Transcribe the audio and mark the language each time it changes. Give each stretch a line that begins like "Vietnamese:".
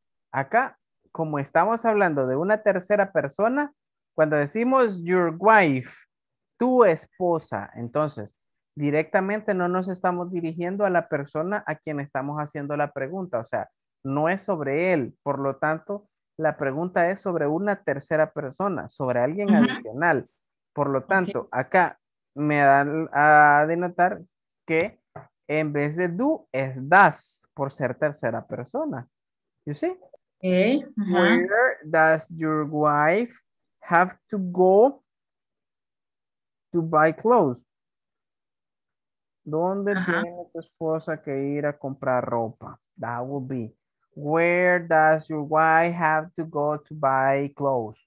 Spanish: Acá, como estamos hablando de una tercera persona, cuando decimos
English: your wife,
Spanish: tu esposa, entonces, directamente no nos estamos dirigiendo a la persona a quien estamos haciendo la pregunta. O sea, no es sobre él. Por lo tanto, la pregunta es sobre una tercera persona, sobre alguien adicional. Por lo tanto, acá me dan a denotar que en vez de do, es does, por ser tercera persona.
English: You see? Where does your wife have to go to buy clothes?
Spanish: ¿Dónde tiene tu esposa que ir a comprar ropa?
English: That would be, where does your wife have to go to buy clothes?